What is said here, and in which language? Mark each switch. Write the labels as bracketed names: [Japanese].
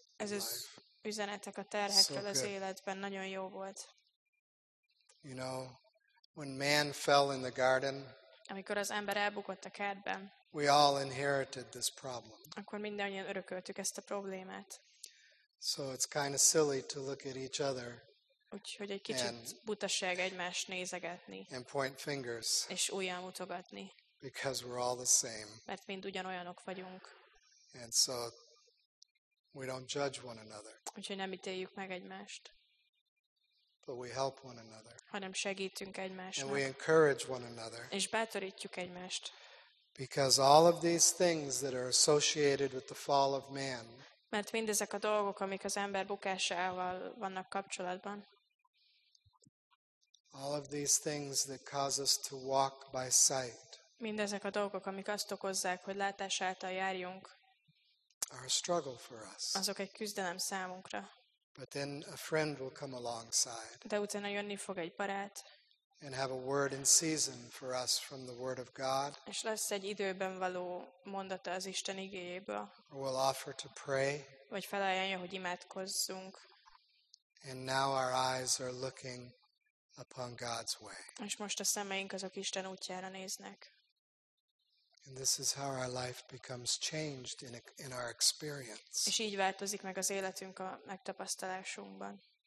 [Hungarian] Ez az üzenetek a terhekről az életben nagyon jó volt. [English] You know, when man fell in the garden. [Hungarian] Amikor az ember elbukott a kertben. [English] We all inherited this problem. [Hungarian] Akkor mindannyian örököltük ezt a problémát. [English] So it's kind of silly to look at each other. [Hungarian] Úgyhogy egy kicsit butaság egymást nézegetni. [English] And point fingers. [Hungarian] És ujjal mutogatni. [English] Because we're all the same. [Hungarian] Mert mind ugyanolyanok vagyunk. [English] And so we don't judge one another. [Hungarian] Úgyhogy nem ítéljük meg egymást. [English] But we help one another. [Hungarian] Hanem segítünk egymásnak. [English] And we encourage one another. [Hungarian] És bátorítjuk egymást. [English] Because all of these things that are associated with the fall of man. [Hungarian] Mert mindezek a dolgok, amik az ember bukásával vannak kapcsolatban. [English] All of these things that cause us to walk by sight. [Hungarian] Mindezek a dolgok, amik azt okozzák, hogy látás által járjunk. [English] Are a struggle for us. [Hungarian] Azok egy küzdelem számunkra. [English] But then a friend will come alongside. [Hungarian] De utána jönni fog egy barát. [English] And have a word in season for us from the word of God. [Hungarian] És lesz egy időben való mondata az Isten igéjéből. [English] Or we'll offer to pray. [Hungarian] Vagy felajánlja, hogy imádkozzunk. [English] And now our eyes are looking upon God's way. [Hungarian] És most a szemeink azok Isten útjára néznek. [English] And this is how our life becomes changed in our experience. [Hungarian] És így változik meg az életünk a megtapasztalásunkban.